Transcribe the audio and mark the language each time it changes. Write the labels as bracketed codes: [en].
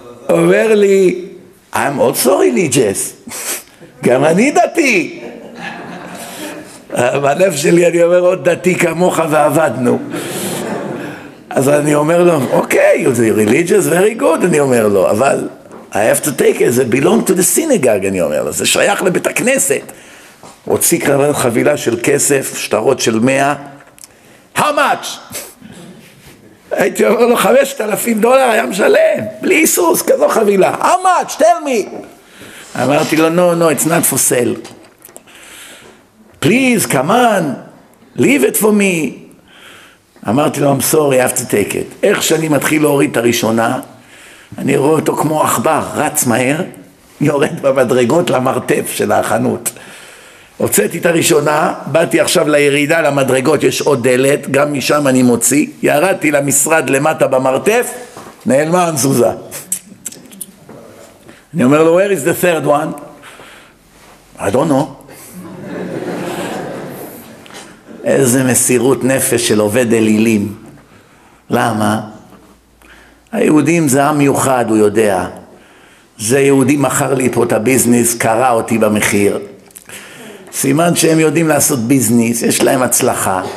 [he] אומר לי, [en] I'm also religious. [he] גם אני דתי. בלב שלי אני אומר, עוד דתי כמוך ועבדנו. אז אני אומר לו, אוקיי, [en] you're religious, very good, [he] אני אומר לו, אבל [en] I have to take it, it belongs to the synagogue, [he] אני אומר לו, זה שייך לבית הכנסת. הוציא כאן חבילה של כסף, שטרות של 100, [en] how much? [he] הייתי אומר לו, $5,000 היה משלם, בלי איסוס, כזו חבילה. [en] How much? Tell me. [he] אמרתי לו, [en] no, it's not for sale. Please, come on, leave it for me. [he] אמרתי לו, [en] I'm sorry, I have to take it. [he] איך שאני מתחיל להוריד את הראשונה, אני רואה אותו כמו עכבר, רץ מהר, יורד במדרגות למרתף של החנות. הוצאתי את הראשונה, באתי עכשיו לירידה למדרגות, יש עוד דלת, גם משם אני מוציא, ירדתי למשרד למטה במרתף, נעלמה המזוזה. אני אומר לו, [en] where is the third one? I don't know. [he] איזה מסירות נפש של עובד אלילים. למה? היהודים זה עם מיוחד, הוא יודע. זה יהודי מכר לי פה את הביזנס, קרא אותי במחיר. סימן שהם יודעים לעשות ביזנס, יש להם הצלחה.